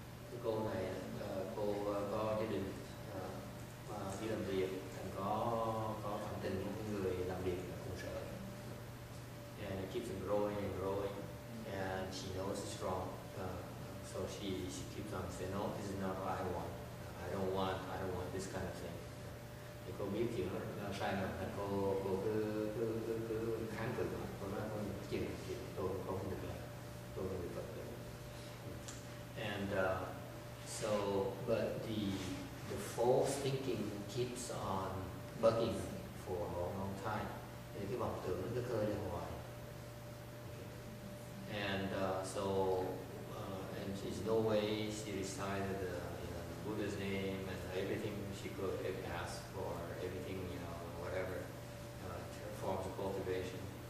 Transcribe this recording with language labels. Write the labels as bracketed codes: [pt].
[vi] The cô này cô có gia đình đi làm việc, thành có cảm tình với người làm việc ở công sở. [en] And it keeps growing and growing, and she knows it's wrong. So she keeps on saying, no, this is not what I want. I don't want this kind of thing. [vi] Thì cô biết chuyện đó, nó sai lầm, là cô cứ kháng cự mà. Cô nói, có những chuyện thì tôi không được làm, tôi không được Phật tử. [en] And so, but the false thinking keeps on bugging for a long time. [vi] Thì cái vọng tưởng nó cứ khơi lên hoài. [en] And so, there's no way she recited the Buddha's name and everything she could ask for, everything, you know, whatever, forms of cultivation.